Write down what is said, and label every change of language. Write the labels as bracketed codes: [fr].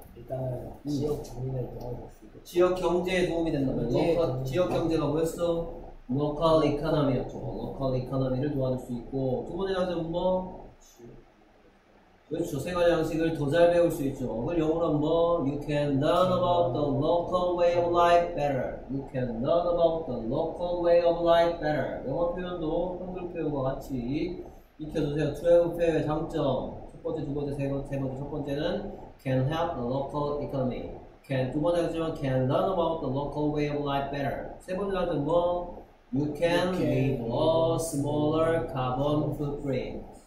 [ko] 일단 지역 경제에 도움이 지역 경제에 도움이 된다면 지역 경제가 뭐였어? local economy였죠. local economy를 도와줄 수 있고, 두 번째 장점은 뭐? 그렇죠. 세 가지 양식을 더잘 배울 수 있죠. 그걸 영어로 한번, [en] you can learn about the local way of life better. you can learn about the local way of life better. [ko] 영어 표현도 한글 표현과 같이 익혀주세요. 트래블 페어의 장점. 첫 번째, 두 번째, 세 번째, 첫 번째는 [en] can help the local economy. can, [ko] 두 번째 장점은 [en] can learn about the local way of life better. [ko] 세 번째 장점은 뭐? [en] You can leave a smaller carbon footprint.